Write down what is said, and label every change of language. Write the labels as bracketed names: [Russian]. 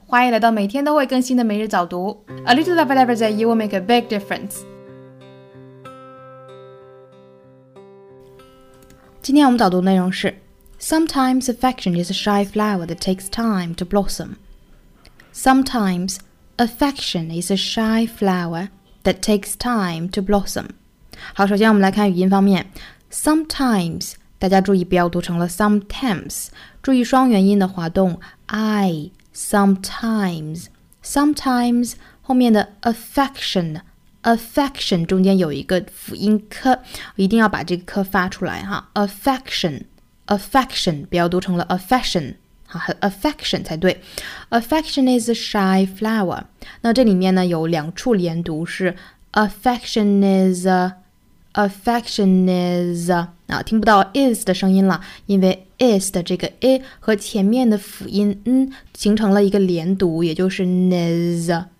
[Chinese] 欢迎来到每天都会更新的每日早读。 [English] A little of every day will make a big difference. [Chinese] 今天我们早读内容是 [English] Sometimes affection is a shy flower that takes time to blossom. Sometimes affection is a shy flower that takes time to blossom. [Chinese] 好，首先我们来看语音方面。Sometimes, 大家注意不要读成了 sometimes, 注意双元音的滑动。 I, sometimes, sometimes, 后面的 affection, affection, 中间有一个辅音科，一定要把这个科发出来哈。 Affection, affection, 不要读成了 affection, 好 affection 才对。 [English] Affection is a shy flower. [Chinese] 那这里面呢有两处连读是 [English] affection is a,Affection is、 [Chinese] 啊、听不到 is 的声音了，因为 is 的这个 i 和前面的辅音 n 形成了一个连读，也就是 niz